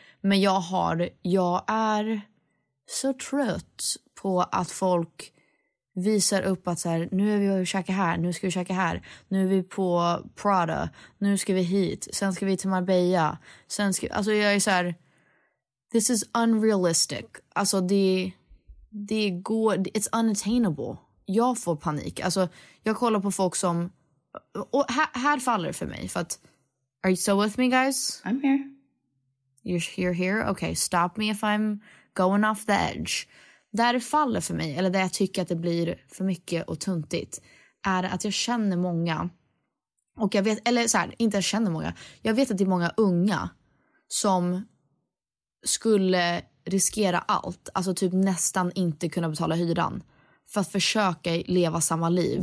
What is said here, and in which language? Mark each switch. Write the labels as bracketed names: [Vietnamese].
[Swedish] Men jag är så trött på att folk visar upp att så här, nu är vi och käka här, nu ska vi käka här, nu är vi på Prada, nu ska vi hit, sen ska vi till Marbella, sen ska, alltså jag är så här, [English] this is unrealistic, [Swedish] alltså det går, [English] it's unattainable. [Swedish] Jag får panik, alltså jag kollar på folk som, och här faller det för mig, för att, [English] are you still with me guys? I'm here. You're here? Okay, stop me if I'm going off the edge. [Swedish] Där det faller för mig, eller där jag tycker att det blir för mycket och tuntigt, är att jag känner många, och jag vet, eller så här, inte jag känner många, jag vet att det är många unga som skulle riskera allt, alltså typ nästan inte kunna betala hyran för att försöka leva samma liv.